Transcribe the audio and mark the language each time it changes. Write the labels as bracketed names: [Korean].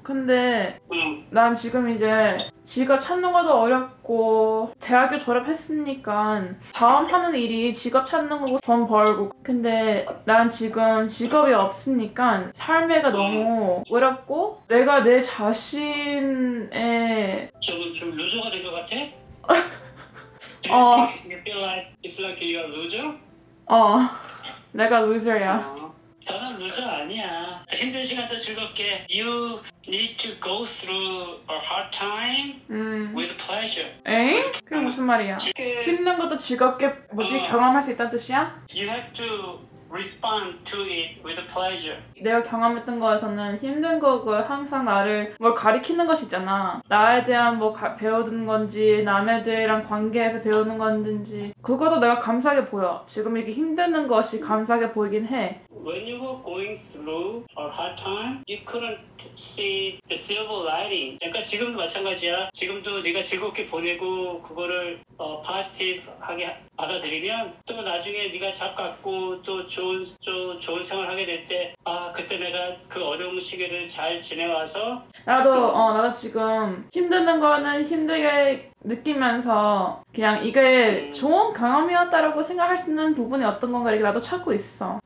[Korean] 근데 난 지금 이제 직업 찾는 것도 어렵고 대학교 졸업했으니까 다음 하는 일이 직업 찾는 거고 돈 벌고 근데 난 지금 직업이 없으니까 삶에가 너무 어렵고 내가 내 자신의 좀 루저가 된 것 같아? 어. [English] You feel like it's like you're a loser? [Korean] 어. 내가 loser야. 나는 loser 아니야. 힘든 시간도 즐겁게. [English] You need to go through a hard time with pleasure. [Korean] 에이? 그게 무슨 말이야? 힘든 것도 즐겁게 뭐지? 경험할 수 있다는 뜻이야? [English] You have to respond to it with pleasure. [Korean] 내가 경험했던 거에서는 힘든 거고 항상 나를 뭘 가리키는 것이 있잖아. 나에 대한 뭐 배우는 건지 남에 대한 관계에서 배우는 건지 그것도 내가 감사하게 보여. 지금 이렇게 힘든 것이 감사하게 보이긴 해. [English] When you were going through a hard time, you couldn't see the silver lining. [Korean] 그러니까 지금도 마찬가지야. 지금도 네가 즐겁게 보내고 그거를 positive하게 받아들이면 또 나중에 네가 잡 갖고 또 좋은 생활 하게 될 때 아 그때 내가 그 어려운 시기를 잘 지내와서 나도 지금 힘든 거는 힘들게 느끼면서 그냥 이게 좋은 경험이었다라고 생각할 수 있는 부분이 어떤 건가 이렇게 나도 찾고 있어.